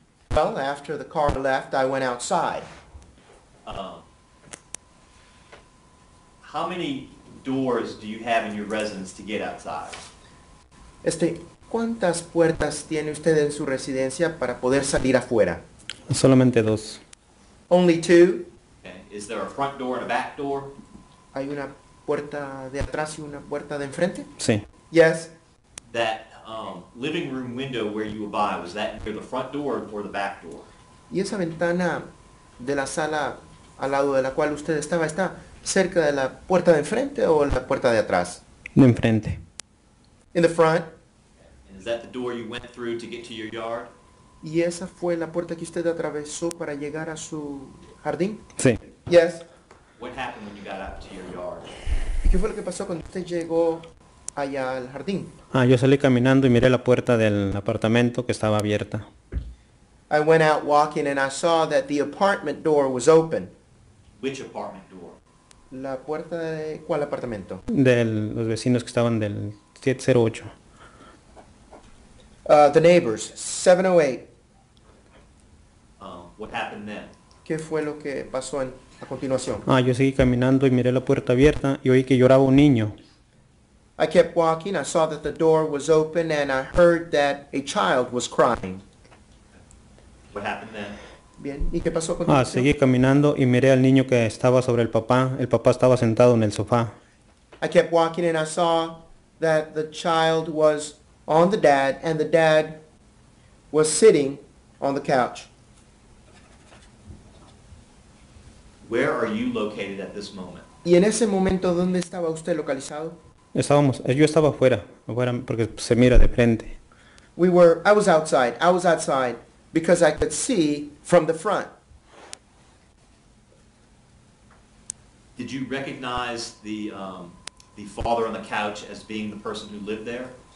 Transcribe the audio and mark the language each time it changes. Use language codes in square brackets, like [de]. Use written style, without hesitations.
[en] Well, after the car left, I went outside. How many doors do you have in your residence to get outside? [es] ¿Cuántas puertas tiene usted en su residencia para poder salir afuera? Solamente dos. [en] Only two. Okay. Is there a front door and a back door? [es] ¿Hay una puerta de atrás y una puerta de enfrente? Sí. [en] Yes. That living room window where you abide, was that near the front door or the back door? [es] ¿Y esa ventana de la sala al lado de la cual usted estaba, está cerca de la puerta de enfrente o la puerta de atrás? De enfrente. [en] In the front. Is that the door you went through to get to your yard? [es] ¿Y esa fue la puerta que usted atravesó para llegar a su jardín? Sí. [en] Yes. What happened when you got up to your yard? [es] ¿Y qué fue lo que pasó cuando usted llegó allá al jardín? Ah, yo salí caminando y miré la puerta del apartamento que estaba abierta. [en] I went out walking and I saw that the apartment door was open. Which apartment door? [es] ¿La puerta de cuál apartamento? De los vecinos que estaban del 708. [en] The neighbors, 708. What happened then? [es] ¿Qué fue lo que pasó a continuación? Ah, yo seguí caminando y miré la puerta abierta y oí que lloraba un niño. [en] I kept walking, I saw that the door was open and I heard that a child was crying. What happened then? [es] Bien, ¿y qué pasó a continuación? Ah, seguí caminando y miré al niño que estaba sobre el papá estaba sentado en el sofá. [en] I kept walking and I saw that the child was on the dad, and the dad was sitting on the couch. Where are you located at this moment? [es] ¿Y en ese momento dónde estaba usted localizado? Yo estaba afuera, porque se mira de frente. [en] I was outside. I was outside because I could see from the front. Did you recognize the father on the couch as being the person who lived there?